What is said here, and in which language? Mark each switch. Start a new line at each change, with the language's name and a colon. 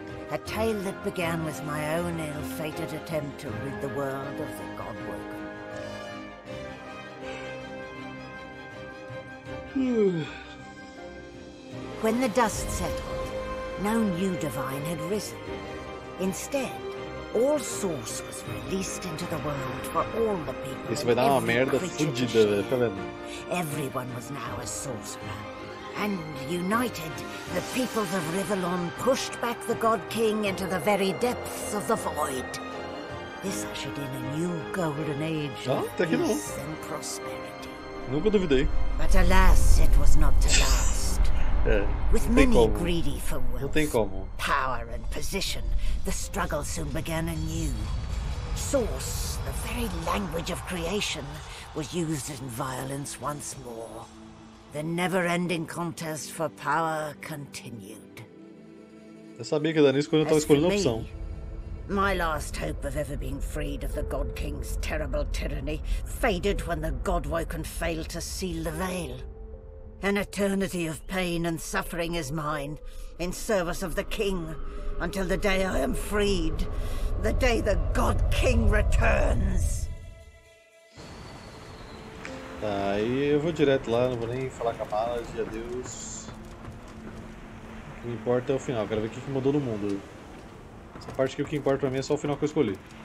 English: A tale that began with my own ill-fated attempt to rid the world of the God Woken. When the dust settled, no new divine had risen. Instead, all source was released into the world for all the people.
Portuguese: Isso vai dar uma merda fodida, tá vendo?
English: Everyone was now a source man. And united, the peoples of Rivalon pushed back the God King into the very depths of the void. This ushered in a new golden age of peace and prosperity.
Portuguese: Nunca duvidei.
English: But alas, it was not to last.
Portuguese: É,
English: with many greedy for wealth,
Portuguese: não tem como.
English: Power and position, the struggle soon began anew. Source, the very language of creation, was used in violence once more. The never-ending contest for power continued.
Portuguese: Eu sabia que dar nisso quando eu estava escolhendo a opção.
English: My last hope of ever being freed of the God King's terrible tyranny faded when the God Woken failed to seal the veil. An eternity of pain and suffering is mine, in service of the King, until the day I am freed, the day the God King returns.
Portuguese: Tá, aí eu vou direto lá, não vou nem falar com a mala, de adeus. O que me importa é o final, quero ver o que mudou no mundo. Essa parte aqui, o que importa pra mim é só o final que eu escolhi.